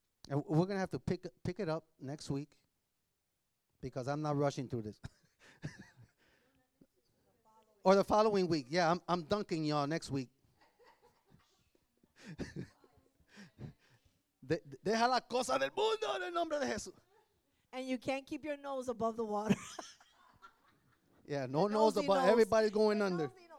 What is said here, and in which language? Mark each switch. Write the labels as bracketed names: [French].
[English] And we're going to have to pick it up next week, because I'm not rushing through this. Or the following week. Yeah, I'm dunking y'all next week. [Spanish] Deja la cosa del mundo en el nombre de Jesús. [English] And you can't keep your nose above the water. Yeah, no nose above. Knows. Everybody's going under.